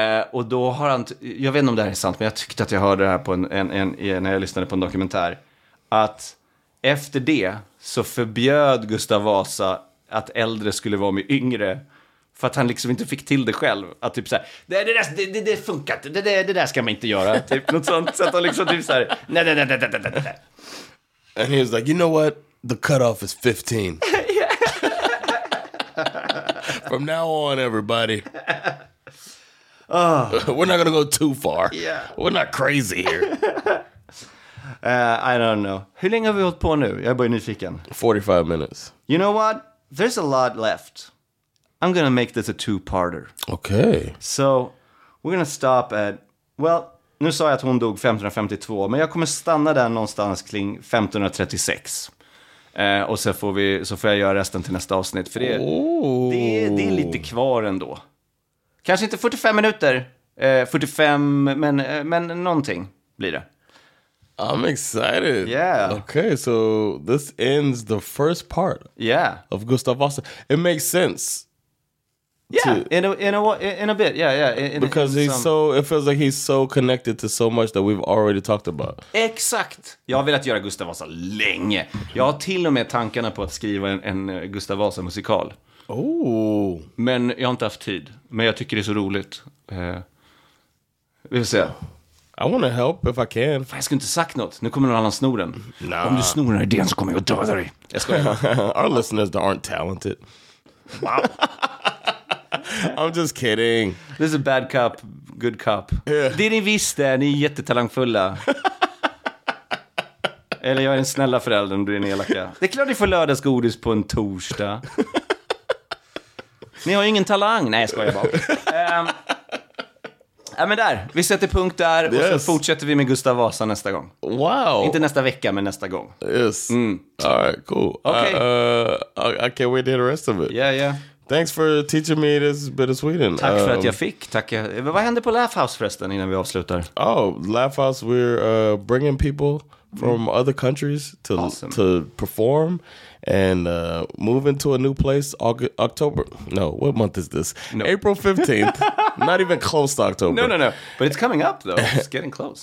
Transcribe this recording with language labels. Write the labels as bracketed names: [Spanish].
[Swedish] Och då har han, jag vet inte om det här är sant, men jag tyckte att jag hörde det här på när jag lyssnade på en dokumentär, att efter det så förbjöd Gustav Vasa att äldre skulle vara med yngre, för att han liksom inte fick till det själv, att typ så här, det funkar inte, det där ska man inte göra, typ något sånt, så att han liksom typ så här, nej. [English] And he was like, you know what, the cutoff is 15. From now on, everybody. We're not gonna go too far. Yeah. We're not crazy here. I don't know. [Swedish] Hur länge har vi hållit på nu? Jag börjar nyfiken. [English] 45 minutes. You know what? There's a lot left. I'm gonna make this a two-parter. Okay. So, we're gonna stop at... [Swedish] Well, nu sa jag att hon dog 1552, men jag kommer stanna där någonstans kring 1536. Och så får jag göra resten till nästa avsnitt. För det är lite kvar ändå. Kanske inte 45 minuter. 45, men någonting blir det. [English] I'm excited. Yeah. Okay, so this ends the first part. Yeah. Of Gustav Vasa. It makes sense. Yeah, in a bit. Yeah, yeah. It feels like he's so connected to so much that we've already talked about. [Swedish] Exakt. Jag har velat göra Gustav Vasa länge. Jag har till och med tankarna på att skriva en Gustav Vasa musikal. Oh. Men jag har inte haft tid. Men jag tycker det är så roligt. Vi får se. [English] I want to help if I can. [Swedish] Fan, jag skulle inte sagt något. Nu kommer någon annan snor den. Nah. Om du snor den här idén så kommer jag att döda dig. Jag skojar. [English] Our listeners aren't talented. Wow. I'm just kidding. This is a bad cop, good cop. Yeah. [Swedish] Det är ni visst det, ni är jättetalangfulla. Eller jag är en snälla förälder och du är en elaka. Det är klart ni får lördagsgodis på en torsdag. Ni har ju ingen talang. Nej, jag skojar bara. Men där, vi sätter punkt där. Yes. Och så fortsätter vi med Gustav Vasa nästa gång. [English] Wow. [Swedish] Inte nästa vecka, men nästa gång. [English] Yes. Mm. All right, cool. Okay. I can't wait to hear the rest of it. Yeah, yeah. Thanks for teaching me this bit of Sweden. [Swedish] Tack för att jag fick. Tack. Vad händer på Laugh House förresten innan vi avslutar? [English] Oh, Laugh House, we're bringing people from other countries to awesome. To perform and move into a new place October. No, what month is this? No. April 15th. Not even close to October. No. But it's coming up though. It's getting close.